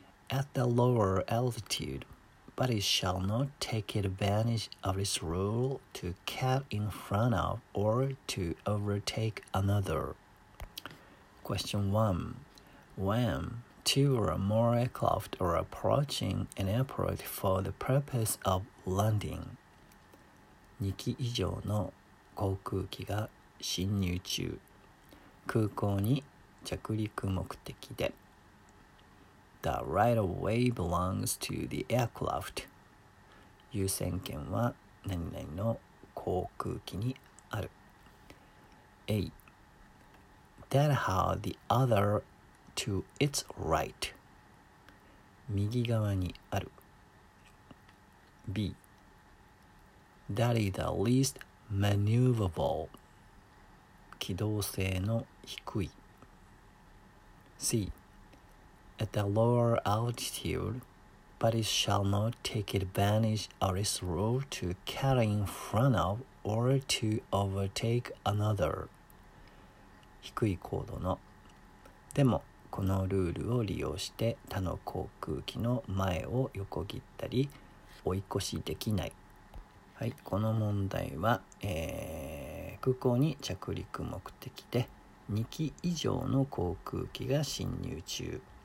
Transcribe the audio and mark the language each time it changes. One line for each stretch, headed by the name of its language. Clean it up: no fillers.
English: At the lower altitude, but it shall not take advantage of its rule to cut in front of or to overtake another. Question 1. When two or more aircraft are approaching an airport for the purpose of landing.
Japanese: 2機以上の航空機が進入中。空港に着陸目的で。
English: The right of way belongs to the aircraft.
Japanese: 優先権は何々の航空機にある。
English: A. That how the other to its right.
Japanese: 右側にある。B.
English: That is the least maneuverable.
Japanese: 機動性の低い。
English: C. At the lower altitude, but it shall not take advantage of its rule to cut in front of or to overtake another.
Japanese: 低い高度の。でも、このルールを利用して他の航空機の前を横切ったり追い越しできない。はい、この問題は、空港に着陸目的で2機以上の航空機が進入中。